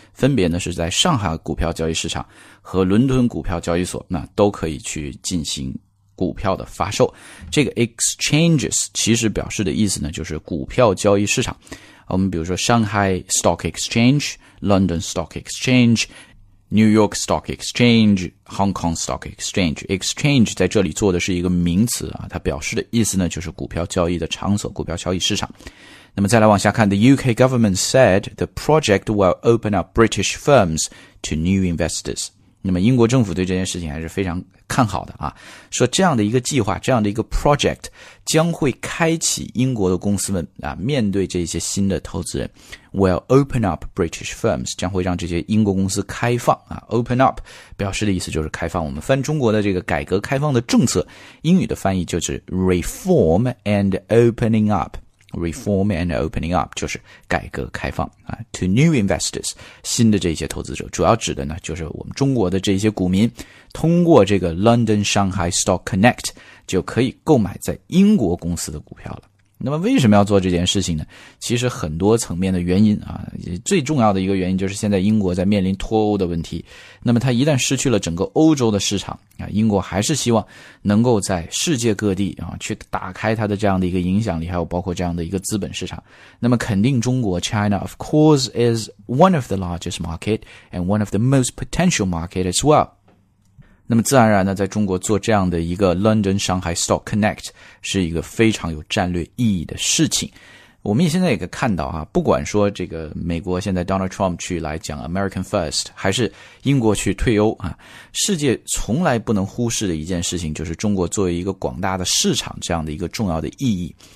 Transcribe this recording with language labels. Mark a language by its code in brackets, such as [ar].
[zh] 分别呢是在上海股票交易市场和伦敦股票交易所那都可以去进行股票的发售，这个 exchanges 其实表示的意思呢，就是股票交易市场。 [en] 我们比如说 Shanghai Stock Exchange, London Stock Exchange, New York Stock Exchange, Hong Kong Stock Exchange. [zh] Exchange 在这里做的是一个名词啊，它表示的意思呢，就是股票交易的场所，股票交易市场。那么再来往下看 [en] ,the UK government said the project will open up British firms to new investors. [zh] 那么英国政府对这件事情还是非常看好的啊，说这样的一个计划，这样的一个 project 将会开启英国的公司们啊，面对这些新的投资人 ， [en] will open up British firms [zh] 将会让这些英国公司开放啊 ，open up 表示的意思就是开放。我们翻中国的这个改革开放的政策，英语的翻译就是 [en] reform and opening up。 Reform and opening up [zh] 就是改革开放、 [en] to new investors [zh] 新的这些投资者主要指的呢就是我们中国的这些股民通过这个 London Shanghai Stock Connect 就可以购买在英国公司的股票了。那么为什么要做这件事情呢，其实很多层面的原因啊，最重要的一个原因就是现在英国在面临脱欧的问题，那么它一旦失去了整个欧洲的市场英国还是希望能够在世界各地啊去打开它的这样的一个影响力，还有包括这样的一个资本市场。那么肯定中国 [en] ,China of course is one of the largest market and one of the most potential market as well。 [zh] 那么自然而然呢在中国做这样的一个 London Shanghai Stock Connect 是一个非常有战略意义的事情。我们现在也看到啊，不管说这个美国现在 Donald Trump 去来讲 [en] American First， [zh] 还是英国去退欧啊，世界从来不能忽视的一件事情就是中国作为一个广大的市场这样的一个重要的意义。